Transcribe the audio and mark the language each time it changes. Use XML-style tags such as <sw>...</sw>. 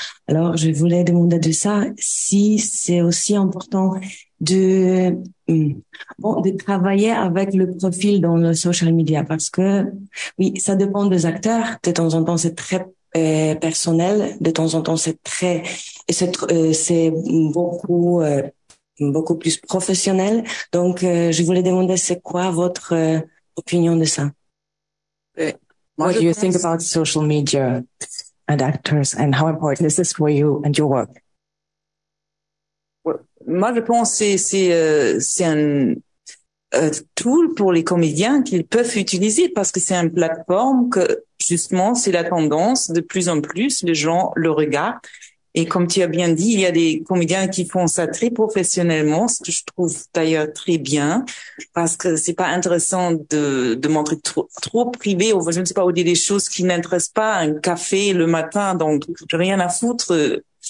<fr>Alors, je voulais demander de ça, si c'est aussi important de travailler avec le profil dans le social media, parce que oui, ça dépend des acteurs. De temps en temps, c'est très personnel. De temps en temps, c'est beaucoup beaucoup plus professionnel. Donc, je voulais demander, c'est quoi votre opinion de ça?</fr> <en>What do you think about social media and actors, and how important is this for you and your work?</en> <fr>Moi, je pense que c'est un tool pour les comédiens qu'ils peuvent utiliser, parce que c'est une plateforme que, justement, c'est la tendance de plus en plus, les gens le regardent. Et comme tu as bien dit, il y a des comédiens qui font ça très professionnellement, ce que je trouve d'ailleurs très bien, parce que c'est pas intéressant de montrer trop privé, ou je ne sais pas, ou dire des choses qui n'intéressent pas, un café le matin, donc j'ai rien à foutre.</fr>